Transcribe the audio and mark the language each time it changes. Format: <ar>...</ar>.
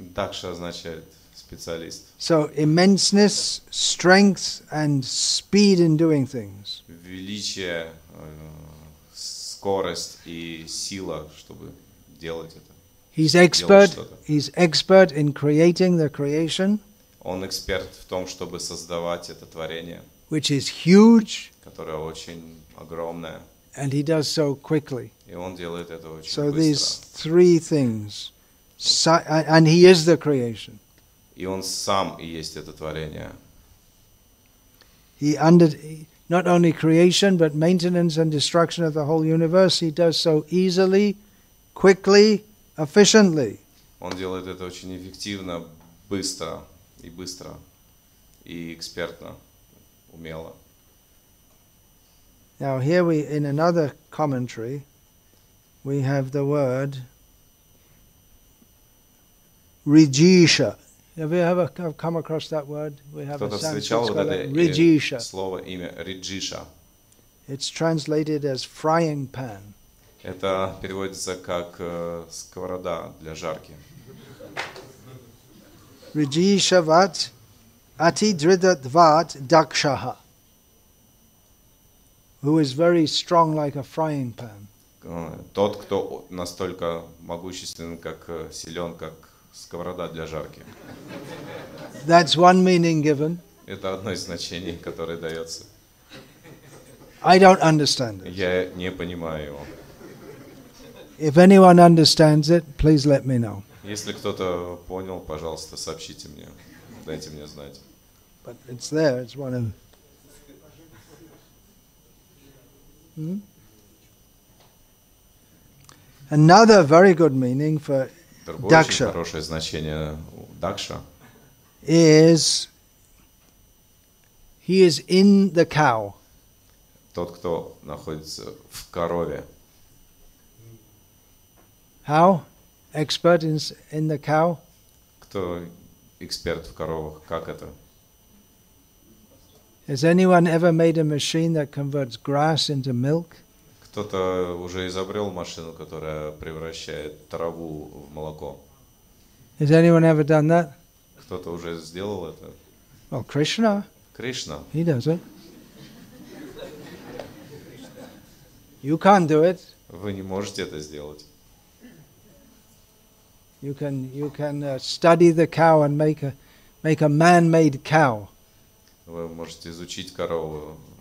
<ru>Daksha означает специалист.</ru> <en>So, immenseness, strength, and speed in doing things.</en> <ru>Величие, скорость и сила, чтобы делать это.</ru> <en>He's expert. He's expert in creating the creation.</en> <ru>Он эксперт в том, чтобы создавать это творение.</ru> <en>Which is huge.</en> <ru>Которое очень огромное.</ru> <en>And he does so quickly.</en> <ru>И он делает это очень быстро.</ru> <en>So these three things, and he is the creation.</en> <ru>И он сам и есть это творение.</ru> <en>He under not only creation, but maintenance and destruction of the whole universe. He does so easily, quickly, efficiently.</en> <ru>Он делает это очень эффективно, быстро, и экспертно, умело.</ru> <en>Now here we in another commentary we have the word rijisha. Have you ever come across that word? We have a Sanskrit</en> <ru>слово имя</ru> <en>rijisha. It's translated as frying pan.</en> <ru>Это переводится как сковорода для жарки.</ru> <sa>Rijisha vat ati dridat vat dakshaha.</sa> <en>Who is very strong like a frying pan.</en> <ru>Тот, кто настолько могущественен, как силен, как сковорода для жарки.</ru> <en>That's one meaning given.</en> <ru>Это одно из значений, которое дается.</ru> <en>I don't understand it.</en> <ru>Я не понимаю его.</ru> <en>If anyone understands it, please let me know.</en> <ru>Если кто-то понял, пожалуйста, сообщите мне. Дайте мне знать.</ru> <en>But it's there, it's one of... Another very good meaning for daksha.</en> <ru>Другое хорошее значение дакша.</ru> <en>Is he is in the cow.</en> <ru>Тот, кто находится в корове.</ru> <en>How? Expert in the cow.</en> <ru>Кто эксперт в коровах? Как это?</ru> <en>Has anyone ever made a machine that converts grass into milk?</en> <ru>Кто-то уже изобрел машину, которая превращает траву в молоко.</ru> <en>Has anyone ever done that?</en> <ru>Кто-то уже сделал это?</ru> <en>Well, Krishna. Krishna. He does it. You can't do it.</en> <ru>Вы не можете это сделать.</ru> <en>You can study the cow and make a man-made cow.</en> <ru>Вы можете изучить корову.</ru>